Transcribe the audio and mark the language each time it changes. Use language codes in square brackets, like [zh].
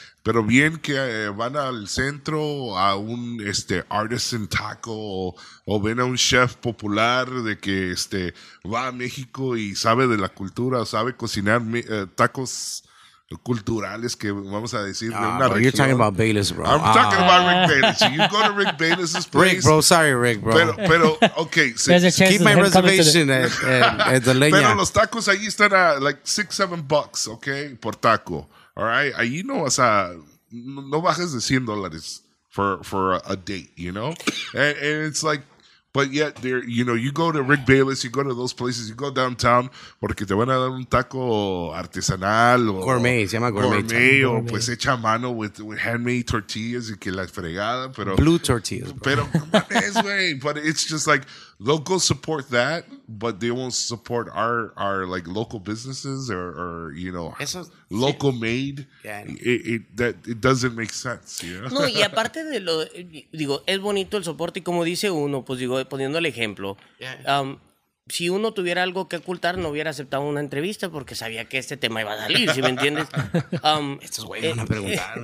[es] Pero bien que van al centro a un [en] artisan taco [es] o ven a un chef popular de que va a México y sabe de la cultura, sabe cocinar tacos culturales que vamos a decir de una región. [en] You're talking about Bayless, bro. I'm talking about Rick Bayless. You go to Rick Bayless's place. Rick, bro. Sorry, Rick, bro. [es] Pero okay. So [en] keep my reservation at the leña. [es] Pero los tacos ahí están a like $6-$7, okay, por taco. [en] All right? [es] Ahí no vas a... No bajes de [en] $100 for a date, you know? And it's like, But yet, there, you know, you go to Rick Bayless, you go to those places, you go downtown, [es] porque te van a dar un taco artesanal. Or, gourmet, se llama gourmet. Gourmet, o pues hecha a mano [en] with handmade tortillas [es] y que la fregada. Pero, [en] blue tortillas. [es] Pero, es, wey, [en] but it's just like, locals support that, but they won't support our like local businesses or you know, [es] eso, local it, made. Yeah. [en] It doesn't make sense, you know? [es] No, y aparte de lo, digo, es bonito el soporte y como dice uno, pues digo, poniendo el ejemplo, si uno tuviera algo que ocultar, no hubiera aceptado una entrevista porque sabía que este tema iba a salir, ¿sí me entiendes? Estos güeyes van a preguntar.